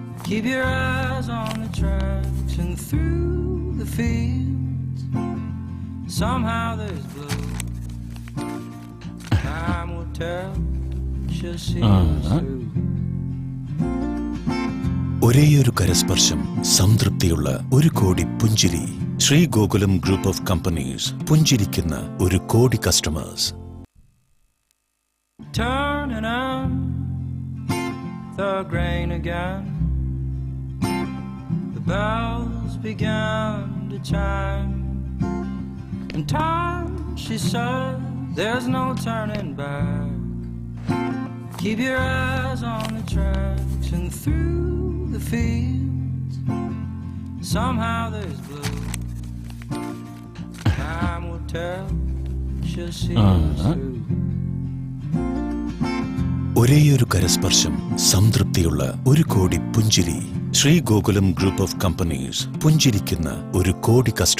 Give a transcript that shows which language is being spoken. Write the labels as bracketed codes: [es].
[en] Keep your eyes on the tracks and through the fields, somehow there's blue, time will tell, she'll see us through. [ml] ഒരേയൊരു കരസ്പർശം സംതൃപ്തിയുള്ള ഒരു കോടി പുഞ്ചിരി. Shri Gokulam group of companies, പുഞ്ചിരിക്കുന്ന ഒരു കോടി customers. [en] Turning on the grain again, bells began to chime, in time she said there's no turning back, keep your eyes on the tracks and through the fields, somehow there's blue, time will tell, she'll see us through. [ml] ഒരേയൊരു കരസ്പർശം സംതൃപ്തിയുള്ള ഒരു കോടി പുഞ്ചിരി. Shri Gokulam group of companies, പുഞ്ചിരിക്കുന്ന ഒരു കോടി